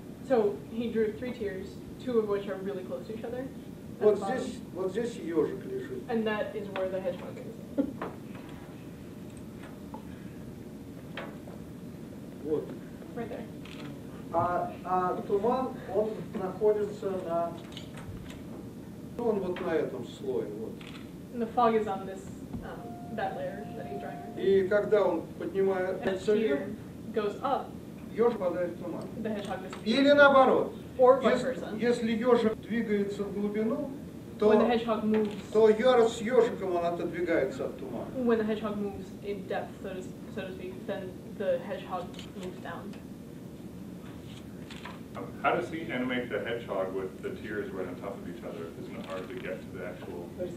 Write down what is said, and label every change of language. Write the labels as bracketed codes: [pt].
[en] So he drew three tiers, two of which are really close to each other. [ru] Вот здесь, вот здесь ежик лежит. [en] And that is where the hedgehog is. [ru] Вот. [en] Right there. [ru] А туман, он находится на, ну, он вот на этом слое, вот. [en] The fog is on this, that layer that he's drawing. [ru] И когда он поднимает [en] цилиндр, goes up, [ru] ёж падает в туман. [en] The hedgehog disappears. [ru] Или наоборот. [en] Or vice versa. [ru] Если ёжик двигается в глубину, то, [en] when the hedgehog moves, [ru] то ярус с ёжиком, он отодвигается от тумана. [en] When the hedgehog moves in depth, so to speak, then the hedgehog moves down. How does he animate the hedgehog with the tears right on top of each other? Isn't it hard to get to the actual?